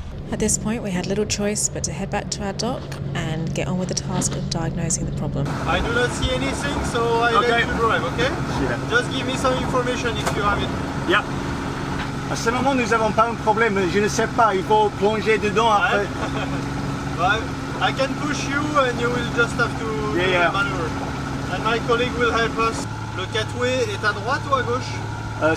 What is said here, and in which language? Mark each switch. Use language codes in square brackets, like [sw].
[en] At this point, we had little choice but to head back to our dock and get on with the task of diagnosing the problem. I do not see anything, so I let you drive, okay? Yeah. Just give me some information if you have it. Yeah. [fr] À ce moment, nous n'avons pas un problème. Je ne sais pas, il faut plonger dedans après. [en] Bye. I can push you and you will just have to maneuver. And my colleague will help us. [fr] Le catway est à droite ou à gauche?